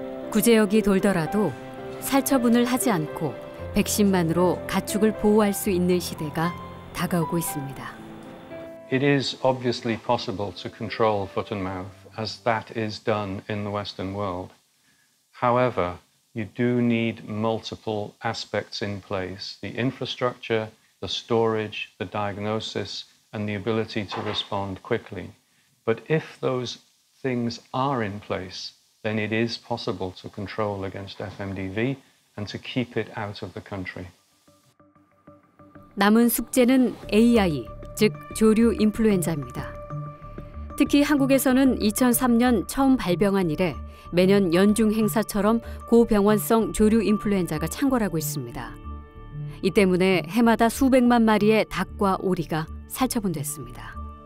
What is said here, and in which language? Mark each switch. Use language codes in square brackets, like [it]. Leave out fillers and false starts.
[ko] 구제역이 돌더라도 살처분을 하지 않고 백신만으로 가축을 보호할 수 있는 시대가 다가오고 있습니다. [en] It is obviously possible to control foot and mouth, as that is done in the Western world. However, you do need multiple aspects in place: the infrastructure, the storage, the diagnosis, and the ability to respond quickly. But if those things are in place, then it is possible to control against FMDV and to keep it out of the country. [ko] 남은 숙제는 AI. 즉 조류 인플루엔자입니다. 특히 한국에서는 2003년 처음 발병한 이래 매년 연중 행사처럼 고병원성 조류 인플루엔자가 창궐하고 있습니다. 이 때문에 해마다 수백만 마리의 닭과 오리가 살처분됐습니다.